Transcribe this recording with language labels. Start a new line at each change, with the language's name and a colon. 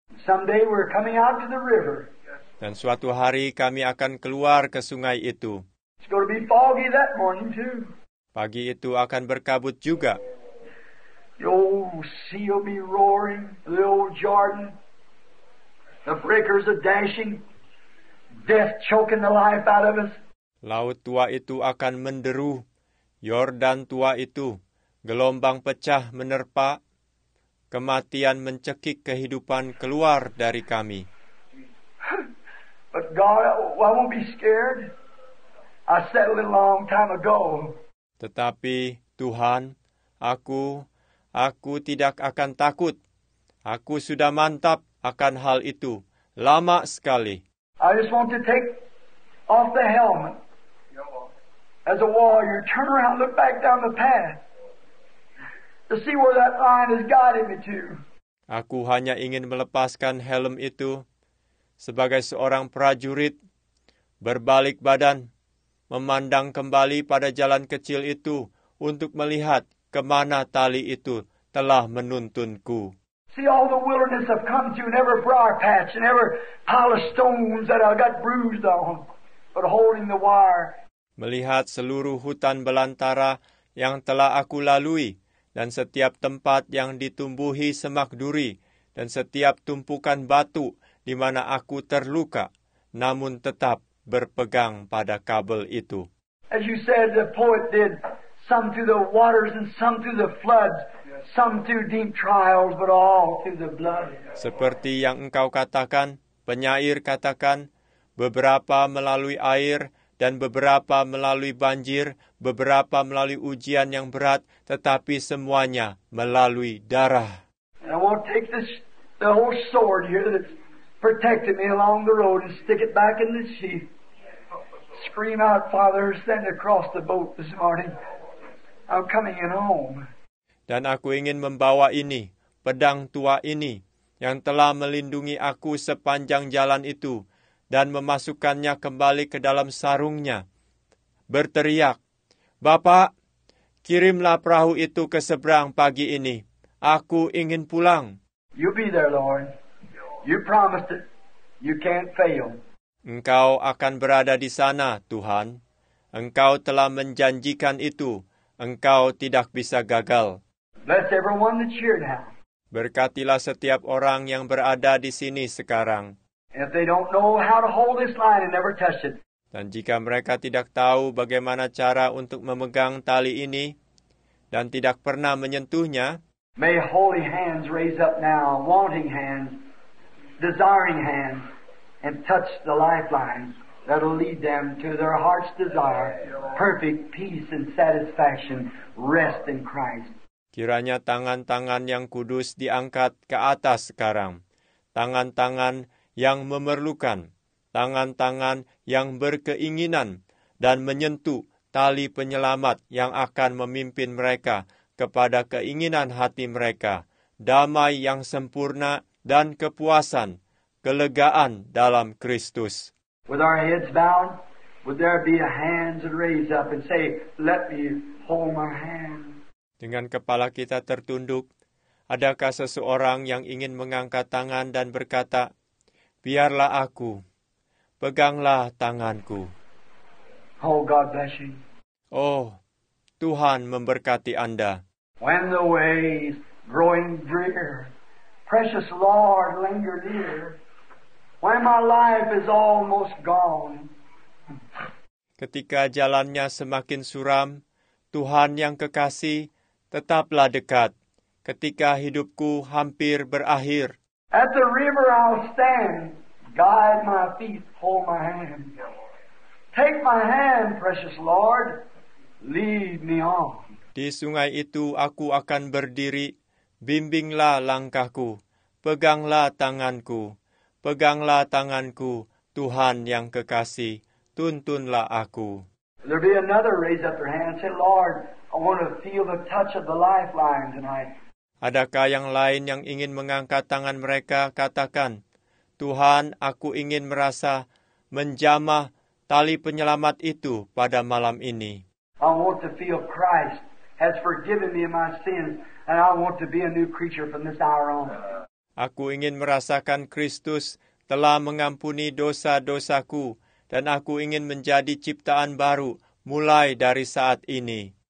English: Someday we're coming out to the river.
Indonesian: Dan suatu hari kami akan keluar ke sungai itu.
English: It's going to be foggy that morning too.
Indonesian: Pagi itu akan berkabut juga.
English: The old sea will be roaring, the old Jordan. The breakers are dashing, death choking the life out of us.
Indonesian: Laut tua itu akan menderu, Yordan tua itu, gelombang pecah menerpa, kematian mencekik kehidupan keluar dari kami.
English: But God, I won't be scared. I settled a long time ago.
Indonesian: Tetapi Tuhan, aku tidak akan takut. Aku sudah mantap akan hal itu. Lama sekali.
English: I just want to take off the helmet. As a warrior, turn around, look back down the path to see where that line has guided me to.
Indonesian: Aku hanya ingin melepaskan helm itu sebagai seorang prajurit, berbalik badan, memandang kembali pada jalan kecil itu untuk melihat kemana tali itu telah menuntunku.
English: See, all the wilderness I've come to, and every briar patch, and every pile of stones that I got bruised on, but holding the wire.
Indonesian: Melihat seluruh hutan belantara yang telah aku lalui, dan setiap tempat yang ditumbuhi semak duri, dan setiap tumpukan batu di mana aku terluka, namun tetap berpegang pada kabel itu.
English: As you said, the poet did, some through the waters and some through the floods, some through deep trials, but all through the blood.
Indonesian: Seperti yang engkau katakan, penyair katakan, beberapa melalui air, dan beberapa melalui banjir, beberapa melalui ujian yang berat, tetapi semuanya melalui darah.
English: And I want to take this, the whole sword here that's protected me along the road and stick it back in the sheath. Scream out, Father, send across the boat this morning. I'm coming in home.
Indonesian: Dan aku ingin membawa ini, pedang tua ini, yang telah melindungi aku sepanjang jalan itu, dan memasukkannya kembali ke dalam sarungnya, berteriak, Bapak, kirimlah perahu itu ke seberang pagi ini. Aku ingin pulang.
English: You'll be there, Lord. You promised it. You can't fail.
Indonesian: Engkau akan berada di sana, Tuhan. Engkau telah menjanjikan itu. Engkau tidak bisa gagal.
English: Bless everyone that's here now.
Indonesian: Berkatilah setiap orang yang berada di sini sekarang.
English: If they don't know how to hold this line and never touch it.
Indonesian: Dan jika mereka tidak tahu bagaimana cara untuk memegang tali ini dan tidak pernah menyentuhnya,
English: may holy hands raise up now, wanting hands, desiring hands, and touch the lifeline that'll lead them to their heart's desire, perfect peace and satisfaction, rest in Christ.
Indonesian: Kiranya tangan-tangan yang kudus diangkat ke atas sekarang. Tangan-tangan yang memerlukan, tangan-tangan yang berkeinginan dan menyentuh tali penyelamat yang akan memimpin mereka kepada keinginan hati mereka, damai yang sempurna dan kepuasan, kelegaan dalam Kristus.
English: With our heads bowed, would there be a hands raised up and say, let me hold my hand.
Indonesian: Dengan kepala kita tertunduk, adakah seseorang yang ingin mengangkat tangan dan berkata, biarlah aku, peganglah tanganku.
English: Oh, God bless you.
Indonesian: Oh, Tuhan memberkati Anda.
English: When the way is growing drear, precious Lord, linger near. When my life is almost gone.
Indonesian: Ketika jalannya semakin suram, Tuhan yang kekasih, tetaplah dekat. Ketika hidupku hampir berakhir.
English: At the river I'll stand, guide my feet, hold my hand. Take my hand, precious Lord, lead me on.
Indonesian: Di sungai itu aku akan berdiri, bimbinglah langkahku, peganglah tanganku. Peganglah tanganku, Tuhan yang kekasih, tuntunlah aku.
English: There be another raise up your hand, say, Lord, I want to feel the touch of the lifeline tonight.
Indonesian: Adakah yang lain yang ingin mengangkat tangan mereka, katakan, Tuhan, aku ingin merasa menjamah tali penyelamat itu pada malam ini.
English: I want to feel Christ has forgiven me of my sins, and I want to be a new creature from this hour on.
Indonesian: Aku ingin merasakan Kristus telah mengampuni dosa-dosaku, dan aku ingin menjadi ciptaan baru mulai dari saat ini.